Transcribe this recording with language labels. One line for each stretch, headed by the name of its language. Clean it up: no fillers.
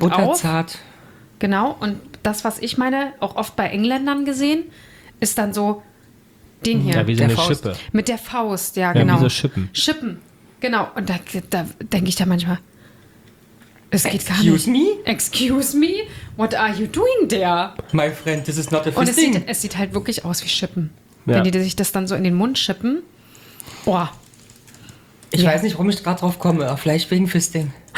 German: butterzart auf. Genau, und das, was ich meine, auch oft bei Engländern gesehen, ist dann so den hier. Ja, wie so eine Faust. Schippe. Mit der Faust, ja, genau. Wie so Schippen. Schippen, genau. Und da denke ich da manchmal, es geht gar nicht.
English: Excuse me? Excuse me? What are you doing there? My friend, this is not a fisting.
German: Und es sieht halt wirklich aus wie Schippen. Ja. Wenn die sich das dann so in den Mund schippen. Boah. Ich weiß nicht, warum ich gerade drauf komme. Vielleicht wegen Fisting.